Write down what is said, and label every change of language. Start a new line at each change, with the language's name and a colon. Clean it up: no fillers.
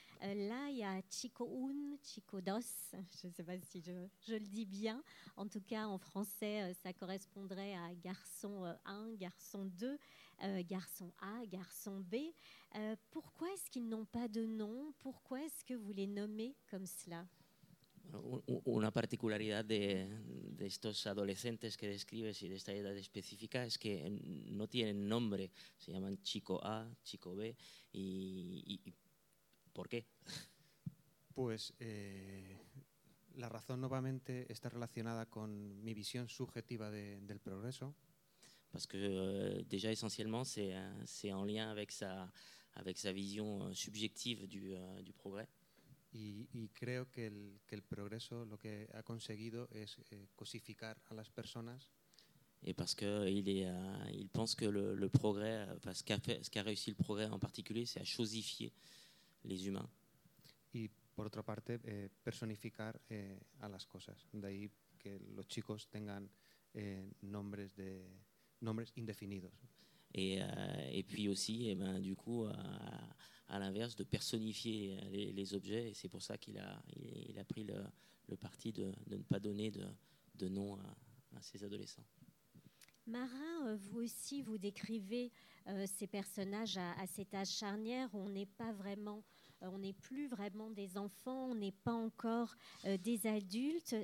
French: Là, il y a Chico Un, Chico Dos, je ne sais pas si je le dis bien. En tout cas, en français, ça correspondrait à garçon 1, garçon 2, garçon A, garçon B. Pourquoi est-ce qu'ils n'ont pas de nom? Pourquoi est-ce que vous les nommez comme cela?
Spanish: Una particularidad de estos adolescentes que describes y de esta edad específica es que no tienen nombre, se llaman chico A, chico B, y ¿por qué? Pues la razón nuevamente está relacionada con mi visión subjetiva del progreso.
French: Parce que déjà essentiellement c'est en lien avec sa vision subjective du progrès.
Spanish: Y creo que el progreso lo que ha conseguido es cosificar a las personas.
French: Y parce que il pense que le progrès, parce qu'a fait, ce qu'a réussi le progrès en particulier, c'est à chosifier les humains.
Spanish: Y por otra parte, personificar a las cosas. De ahí que los chicos tengan nombres indefinidos.
French: Et puis aussi, du coup, à l'inverse, de personnifier les objets. Et c'est pour ça qu'il a pris le parti de ne pas donner de nom à ses adolescents. Marin, vous aussi, vous décrivez ces personnages à cet âge charnière où on n'est plus vraiment des enfants, on n'est pas encore des adultes.